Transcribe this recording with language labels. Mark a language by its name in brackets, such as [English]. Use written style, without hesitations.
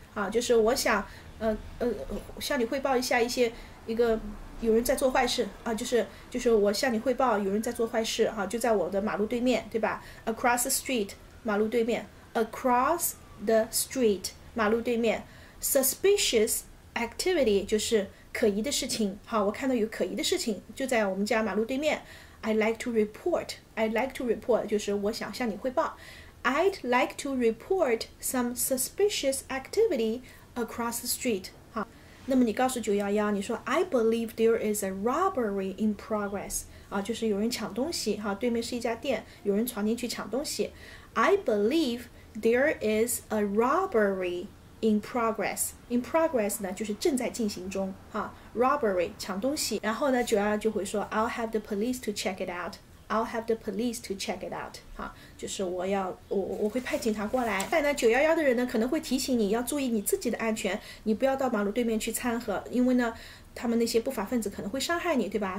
[Chinese] 好，就是我想向你汇报一下一个有人在做坏事啊，就是我向你汇报有人在做坏事哈，就在我的马路对面，对吧？ [English] Across the street， [Chinese] 马路对面。 [English] Across the street， 马路对面。 Suspicious activity 就是 [Chinese] 可疑的事情，好，我看到有可疑的事情，就在我们家马路对面。 [English] I'd like to report, [Chinese] 就是我想向你汇报。 [English] I'd like to report some suspicious activity across the street. [Chinese] 好，那么你告诉911，你说 [English] I believe there is a robbery in progress. [Chinese] 啊，就是有人抢东西，哈，对面是一家店，有人闯进去抢东西。 [English] I believe there is a robbery in progress. In progress [Chinese] 呢，就是正在进行中，哈。Robbery 抢东西，然后呢，911就会说 [English] I'll have the police to check it out. I'll have the police to check it out. [Chinese] 好，就是我会派警察过来。但呢911的人呢可能会提醒你要注意你自己的安全，你不要到马路对面去掺和，因为呢他们那些不法分子可能会伤害你，对吧？